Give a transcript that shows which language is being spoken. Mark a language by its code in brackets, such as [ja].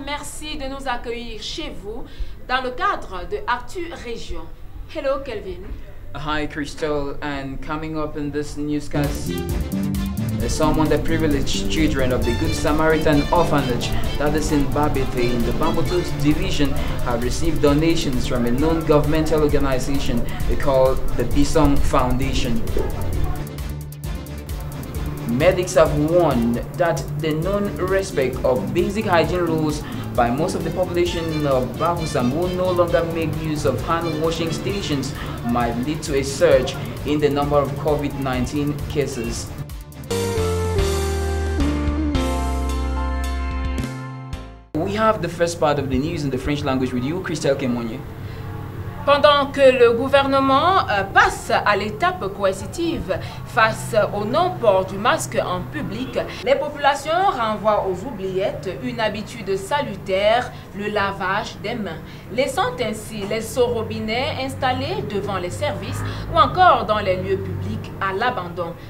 [fr] Merci de nous accueillir chez vous dans le cadre de Actu Région. [en] Hello, Kelvin. Hi, Crystal. And coming up in this newscast, someone that privileged children of the Good Samaritan orphanage that is in Babete in the Bambutos division have received donations from a non-governmental organization called the Bisong Foundation. Medics have warned that the non-respect of basic hygiene rules by most of the population of Bahusam who no longer make use of hand washing stations might lead to a surge in the number of COVID-19 cases. We have the first part of the news in the French language with you, Christelle Kemonye. [fr] Pendant que le gouvernement passe à l'étape coercitive face au non-port du masque en public, les populations renvoient aux oubliettes une habitude salutaire, le lavage des mains, laissant ainsi les seaux robinets installés devant les services ou encore dans les lieux publics à l'abandon.